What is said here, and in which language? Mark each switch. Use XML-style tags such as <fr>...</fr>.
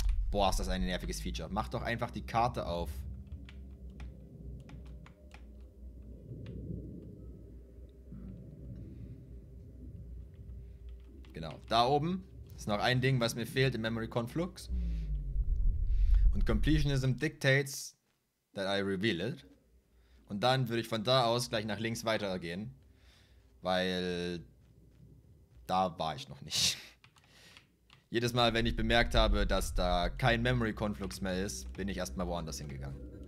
<de>Boah, ist das ein nerviges Feature. Mach doch einfach die Karte auf. Genau, da oben ist noch ein Ding, was mir fehlt im Memory Conflux.</de> <en>Und Completionism dictates that I reveal it.</en> <de>Und dann würde ich von da aus gleich nach links weitergehen. Weil da war ich noch nicht. Jedes Mal, wenn ich bemerkt habe, dass da kein Memory-Konflux mehr ist, bin ich erstmal woanders hingegangen.</de>